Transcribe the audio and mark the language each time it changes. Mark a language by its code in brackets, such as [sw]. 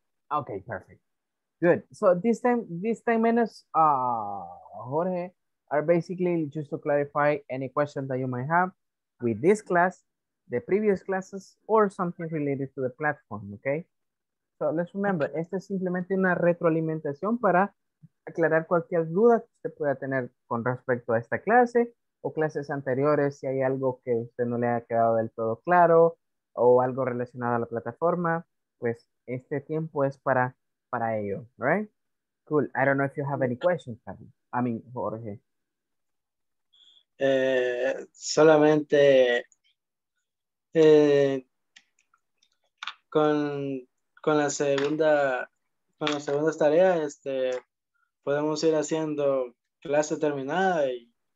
[en] Okay, perfect. Good. So these 10 minutes, Jorge, are basically just to clarify any question that you might have with this class, the previous classes, or something related to the platform, okay? So let's remember, [es] este es simplemente una retroalimentación para aclarar cualquier duda que usted pueda tener con respecto a esta clase o clases anteriores, si hay algo que usted no le ha quedado del todo claro o algo relacionado a la plataforma, pues este tiempo es para ello, right? Cool. [en] I don't know if you have any questions, Jorge. [es] Solamente con las segundas tareas podemos ir haciendo clase terminada y